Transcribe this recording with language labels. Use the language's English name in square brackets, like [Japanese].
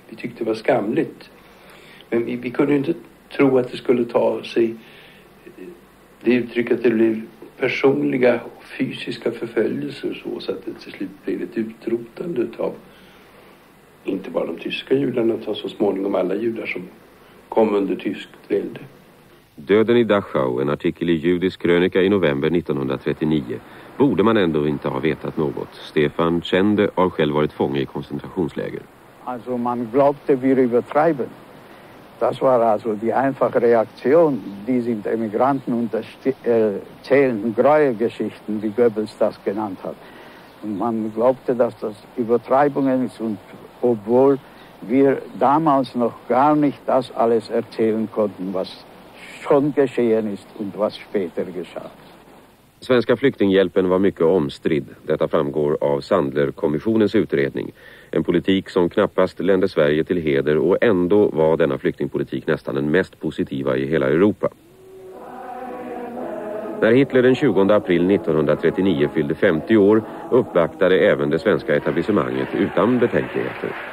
[Swedish] Vi tyckte det var skamligt. Men vi kunde ju inte tro att det skulle ta sig det uttryck att det blev personliga och fysiska förföljelser så att det till slut blev ett utrotande av inte bara de tyska judarna utan så småningom alla judar som kom under tyskt välde. Döden i Dachau, en artikel i Judisk krönika i november 1939, borde man ändå inte ha vetat något. Stefan kände av själv varit fånge i koncentrationsläger. Alltså [German] man glaubte wir übertreiben. Das war also die einfache Reaktion. Die sind Emigranten und erzählen Gräuelgeschichten, wie Goebbels das genannt hat. Und man glaubte, dass das Übertreibungen ist. Und obwohl wir damals noch gar nicht das alles erzählen konnten, was schon geschehen ist und was später geschah. [Swedish] Svenska flyktinghjälpen var mycket omstridd. Detta framgår av Sandler-kommissionens utredning. En politik som knappast lände Sverige till heder och ändå var denna flyktingpolitik nästan den mest positiva i hela Europa. När Hitler den 20 april 1939 fyllde 50 år uppvaktade även det svenska etablissemanget utan betänkligheter.